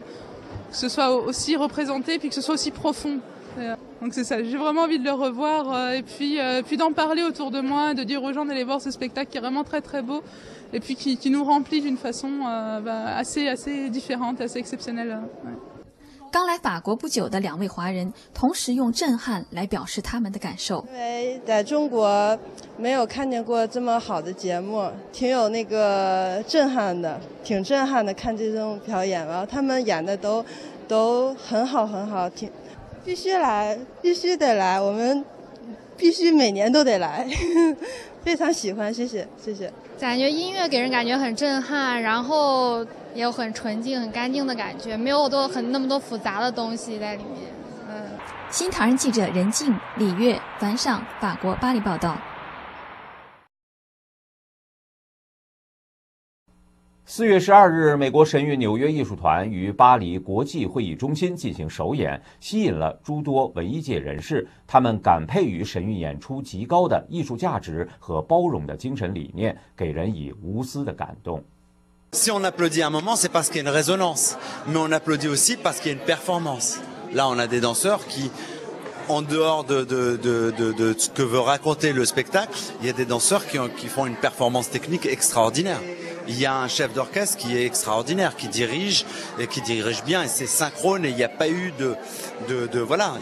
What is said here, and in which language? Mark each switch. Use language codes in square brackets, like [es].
[fr] Que ce soit aussi représenté, puis que ce soit aussi profond. Donc c'est ça, j'ai vraiment envie de le revoir et puis d'en parler autour de moi, de dire aux gens d'aller voir ce spectacle qui est vraiment très, très beau et puis qui nous remplit d'une façon assez, assez différente, assez exceptionnelle. Ouais. [zh] 刚来法国不久的两位华人同时用震撼来表示他们的感受。因为在中国没有看见过这么好的节目，挺有那个震撼的，挺震撼的，看这种表演，然后他们演的都很好很好，挺必须来，必须得来，我们必须每年都得来，非常喜欢，谢谢谢谢。感觉音乐给人感觉很震撼，然后也有很纯净很干净的感觉，没有那么多复杂的东西在里面。新唐人记者任静、李月、樊尚，法国巴黎报道。 4月12日，美国神韵纽约艺术团于巴黎国际会议中心进行首演，吸引了诸多文艺界人士，他们感佩于神韵演出极高的艺术价值和包容的精神理念，给人以无私的感动。 [fr] Si on applaudit un moment, c'est parce qu'il y a une résonance, mais on applaudit aussi parce qu'il y a une performance. Là, on a des danseurs qui, en dehors de ce que veut raconter le spectacle, il y a des danseurs qui font une performance technique extraordinaire. Il y a un chef d'orchestre qui est extraordinaire, qui dirige, et qui dirige bien, et c'est synchrone, et il n'y a pas eu de, voilà.